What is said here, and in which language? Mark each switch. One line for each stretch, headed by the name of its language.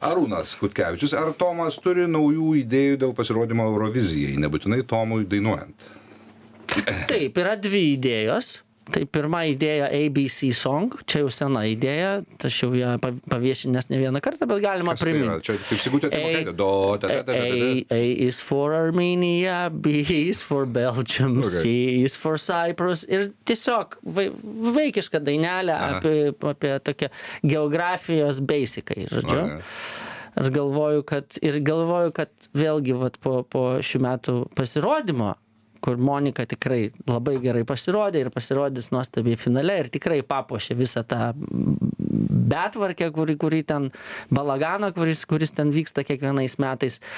Lithuanian: Arūnas Kutkevičius, ar Tomas turi naujų idėjų dėl pasirodymo Eurovizijai, nebūtinai Tomui dainuoja. Taip, yra dvi idėjos. Tai pirma idėja ABC song, čia jau sena idėja, aš jau ją paviešinęs ne vieną kartą, bet galima kas priminti. Tai čia kaip sigutė, tai
English: A is for Armenia, B is for Belgium, okay. C is for Cyprus
Lithuanian: ir tiesiog vaikiška dainelė apie tokią geografijos basicai, žodžiu. Aš galvoju, kad vėlgi vat, po šių metų pasirodymo, kur Monika tikrai labai gerai pasirodė ir pasirodys nuostabiai finale ir tikrai papuošė visą tą betvarkę, kurį ten balagano, kuris ten vyksta kiekvienais metais.